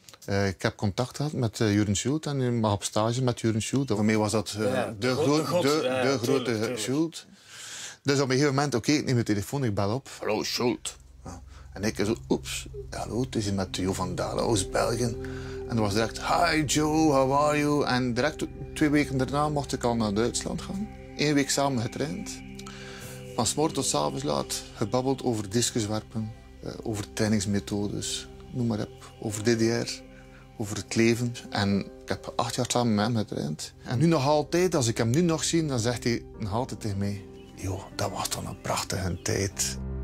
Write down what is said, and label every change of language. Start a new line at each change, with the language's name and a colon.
Dutch: Ik heb contact gehad met Jürgen Schult en je mag op stage met Jürgen Schult. Voor mij was dat de grote Schult. Dus op een gegeven moment, oké, ik neem de telefoon, ik bel op. Hallo, Schult. En ik zo, oeps, hallo, het is hier met Jo van Dalen, Oost-België. En er was direct,
English: hi Joe, how are you?
Dutch: En direct 2 weken daarna mocht ik al naar Duitsland gaan. 1 week samen getraind. Van 's morgens tot 's avonds laat, gebabbeld over discuswerpen, over trainingsmethodes, noem maar op, over DDR, over het leven. En ik heb 8 jaar samen met hem getraind. En nu nog altijd, als ik hem nu nog zie, dan zegt hij nog altijd tegen mij, Jo, dat was toch een prachtige tijd.